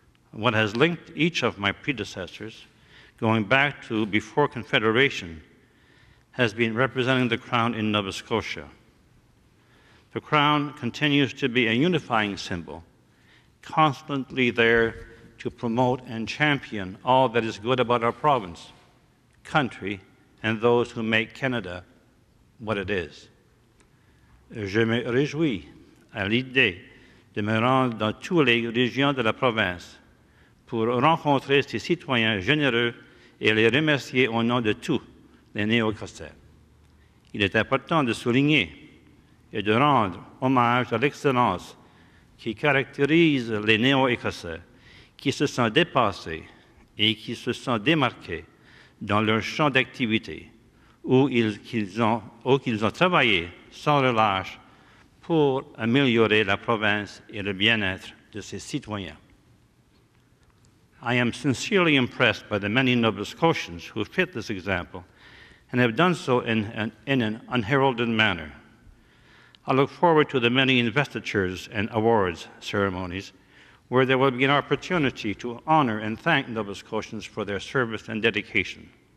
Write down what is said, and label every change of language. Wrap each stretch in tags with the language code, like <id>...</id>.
<en>What has linked each of my predecessors, going back to before Confederation, has been representing the Crown in Nova Scotia. The Crown continues to be a unifying symbol, constantly there to promote and champion all that is good about our province, country, and those who make Canada what it is.</en> <fr>Je me réjouis à l'idée de me rendre dans toutes les régions de la province pour rencontrer ces citoyens généreux et les remercier au nom de tous les néo-castels. Il est important de souligner et de rendre hommage à l'excellence qui caractérise les néo-écossais, qui se sont dépassés et qui se sont démarqués dans leur champ d'activité où ils ont travaillé sans relâche pour améliorer la province et le bien-être de ses citoyens.</fr> <en>I am sincerely impressed by the many Nova Scotians who fit this example and have done so in an unheralded manner. I look forward to the many investitures and awards ceremonies where there will be an opportunity to honor and thank Nova Scotians for their service and dedication.</en>